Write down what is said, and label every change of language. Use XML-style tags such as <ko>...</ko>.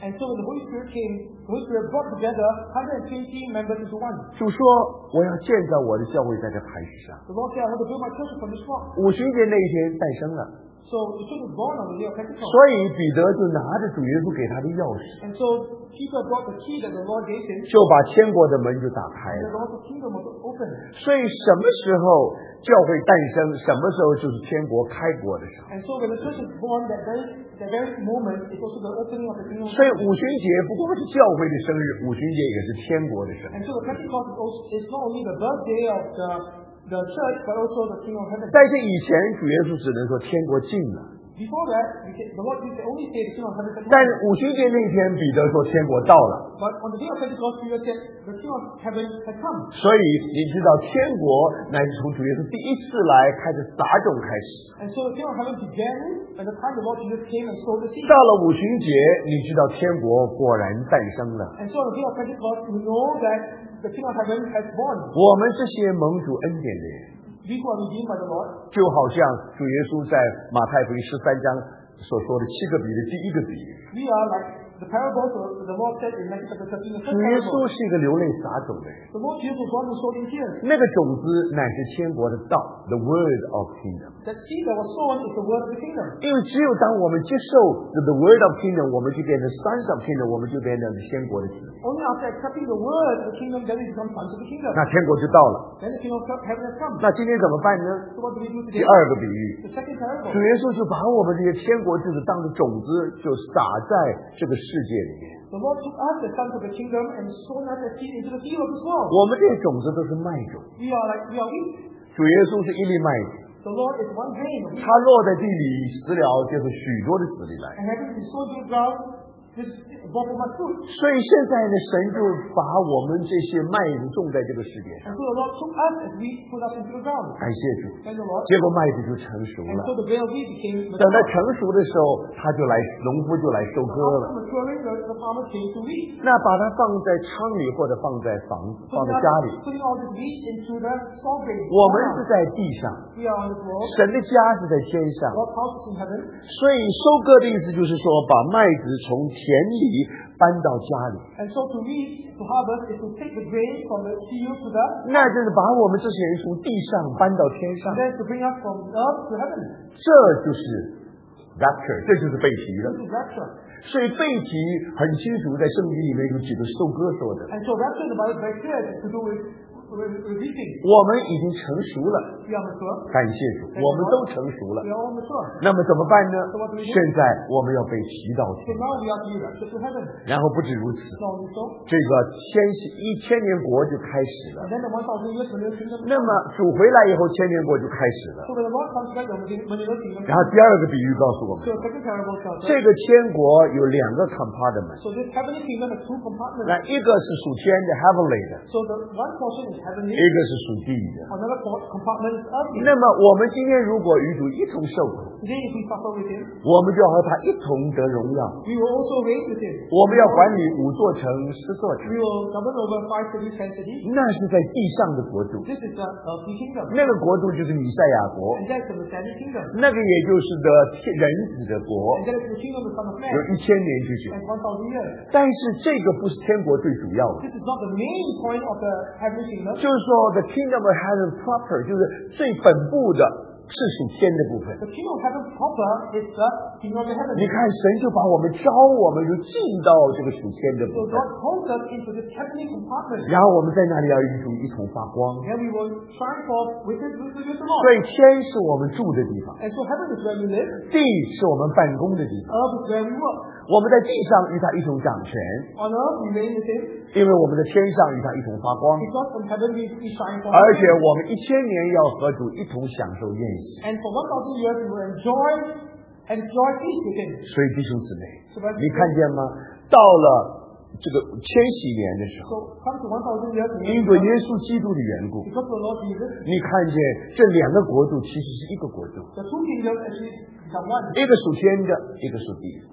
<en>And so when the Holy Spirit came, the Holy Spirit brought together 120 members into one.</en> <zh>主说我要建造我的教会在这磐石上。</zh> <en>The Lord said, I want to build my church from this rock.</en> <zh>五旬节那一天诞生了。</zh> <en>So, the church was born on the day of Pentecost.</en> <zh>所以彼得就拿着主耶稣给他的钥匙。</zh> <en>And so, Peter brought the key that the Lord gave him.</en> <zh>就把天国的门就打开了。</zh> <en>The Lord's kingdom was opened.</en> <zh>所以什么时候教会诞生，什么时候就是天国开国的时候。</zh> <en>And so, when the church was born, that very moment, it was the opening of the kingdom.</en> <zh>所以五旬节不光是教会的生日，五旬节也是天国的生日。</zh> <en>And so, the Pentecost is not only the birthday of the church, but also the kingdom of heaven.</en> <zh>但是以前主耶稣只能说天国近了。</zh> <en>Before that, the Lord used to only say the kingdom of heaven.</en> <zh>但是五旬节那天，彼得说天国到了。</zh> <en>But on the day of Pentecost, Peter said the kingdom of heaven had come.</en> <zh>所以你知道天国乃是从主耶稣第一次来开始撒种开始。</zh> <en>And so the kingdom of heaven began at the time the Lord Jesus came and sowed the seed.</en> <zh>到了五旬节，你知道天国果然诞生了。</zh> <en>And so on the day of Pentecost, we know that. The kingdom of heaven has born.</en> <zh>我们这些蒙主恩典的人</zh> <en>These who are redeemed by the Lord,</en> <zh>就好像主耶稣在马太福音十三章所说的七个比的第一个比</zh> <en>We are like the parables of the Lord said in Matthew chapter 13, the first</en> <zh>parable. 主耶稣是一个流泪撒种的人</zh> <en>The Lord Jesus was born to sow in tears.</en> <zh>那个种子乃是天国的道</zh> <en>The word of kingdom. The seed that was sown is the word of the kingdom.</en> <zh>因为只有当我们接受</zh> <en>the word of kingdom,</en> <zh>我们就变成</zh> <en>sons of kingdom,</en> <zh>我们就变成天国的子。</zh> <en>Only after accepting the word of the kingdom, then we become sons of the kingdom.</en> <zh>那天国就到了。</zh> <en>Then the kingdom of heaven has come.</en> <zh>那今天怎么办呢？</zh> <en>So what do we do today?</en> <zh>第二个比喻。</zh> <en>The second parable.</en> <zh>主耶稣就把我们这些天国就是当着种子就撒在这个世界里面。</zh> <en>The Lord took us the sons of the kingdom and sown us the seed into the field of the soul.</en> <zh>我们这些种子都是麦种。</zh> <en>We are wheat.</en> <zh>主耶稣是一粒麦子。</zh> <en>The Lord is one grain.</en> <zh>他落在地里，死了，就是许多的子粒来。</zh> <en>And having been sown to the ground.</en> <zh>所以现在的神就把我们这些麦子种在这个世界上。感谢主。结果麦子就成熟了。等到成熟的时候，他就来，农夫就来收割了。那把它放在仓里或者放在房子，放在家里。我们是在地上，神的家是在天上。所以收割的意思就是说，把麦子从田里搬到家里。</zh> <en>And so to reap, to harvest is to take the grain from the field to the.</en> <zh>那就是把我们这些人从地上搬到天上。</zh> <en>And to bring us from earth to heaven.</en> <zh>这就是 rapture, 这就是被提的。</zh> <en>This is rapture.</en> <zh>所以被提很清楚，在圣经里面有几个收割说的。</zh> <en>And so rapture in the Bible is very clear to do with reaping.</en> <zh>我们已经成熟了。</zh> <en>We are mature.</en> <zh>感谢主，我们都成熟了。</zh> <en>We are all mature.</en> <zh>那么怎么办呢？</zh> <en>So what do we do?</en> <zh>现在我们要被提到天。</zh> <en>So now we are here, to heaven.</en> <zh>然后不止如此。</zh> <en>So also,</en> <zh>这个一千年国就开始了。</zh> <en>And then the 1,000 years millennial kingdom.</en> <zh>那么主回来以后，千年国就开始了。</zh> <en>So when the Lord comes back, the millennial kingdom.</en> <zh>然后第二个比喻告诉我们。</zh> <en>So second parable tells us.</en> <zh>这个天国有两个 compartment.</zh> <en>So this heavenly kingdom has two compartments.</en> <zh>那一个是属天的 heavenly 的。</zh> <en>So the one portion is heavenly.</en> <zh>一个是属地的。</zh> <en>Another compartment. because of him.</en> <zh>那么我们今天如果与主一同受苦，</zh> <en>today if we suffer with him,</en> <zh>我们就要和他一同得荣耀。</zh> <en>We will also reign with him.</en> <zh>我们要管理五座城、十座城。</zh> <en>We will govern over five cities, ten cities.</en> <zh>那是在地上的国度。</zh> <en>This is the kingdom.</en> <zh>那个国度就是弥赛亚国。</zh> <en>And that's the Messianic kingdom.</en> <zh>那个也就是的人子的国。</zh> <en>And that is the kingdom of the Son of Man.</en> <zh>有一千年之久。</zh> <en>And 1,000 years.</en> <zh>但是这个不是天国最主要的。</zh> <en>This is not the main point of the heavenly kingdom.</en> <zh>就是说</zh> <en>the kingdom of heaven proper</en> <zh>就是最本部的是属天的部分。</zh> <en>The kingdom of heaven proper is the kingdom of heaven.</en> <zh>你看神就把我们招我们就进到这个属天的部分。</zh> <en>So God calls us into this heavenly compartment.</en> <zh>然后我们在那里要与主一同发光。</zh> <en>And we will shine forth with his glory.</en> <zh>所以天是我们住的地方。</zh> <en>And so heaven is where we live.</en> <zh>地是我们办公的地方。</zh> <en>Earth is where we work.</en> <zh>我们在地上与他一同掌权，</zh> <en>on earth, we reign with him.</en> <zh>因为我们在天上与他一同发光，</zh> <en>because from heaven we shine forth.</en> <zh>而且我们一千年要和主一同享受宴席，</zh> <en>and for 1,000 years we will enjoy peace with him.</en> <zh>所以弟兄姊妹，</zh> <en>so、</en> <zh>你看见吗？到了这个千禧年的时候，因为耶稣基督的缘故，你看见这两个国度其实是一个国度，一个属天的，一个属地。</zh>